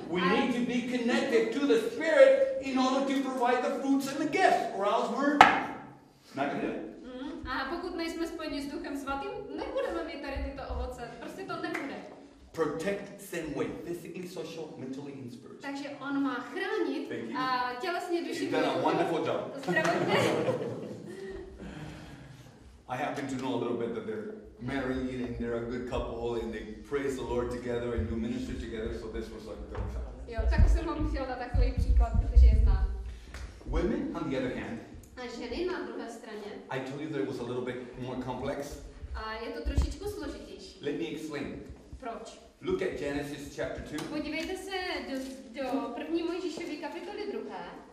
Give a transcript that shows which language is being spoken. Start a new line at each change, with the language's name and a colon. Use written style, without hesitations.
English: We need to be connected to the Spirit in order to provide the fruits and the gifts, or else we're not going to do it.
Czech: A pokud nejsme spojeni s Duchem Svatým, nebudeme mít tady tyto ovoce. Prostě to nebude.
English: Protect same way, physically, social, mentally, and spiritually.
Czech: Takže on má chránit a tělesně, duši.
English: You've done a wonderful job.
Czech: Zdravujte.
English: I happen to know a little bit that they're married and they're a good couple and they praise the Lord together and do ministry together, so this was like the example.
Czech: Jo, tak jsem vám chtěl dát takový příklad, protože je znám.
English: Women, on the other hand.
Czech: A ženy na druhé straně.
English: I told you that it was a little bit more complex.
Czech: A je to trošičku složitější.
English: Let me explain.
Czech: Proč?
English: Look at Genesis chapter 2.
Czech: Podívejte se do první Mojžíšovy kapitoly druhé.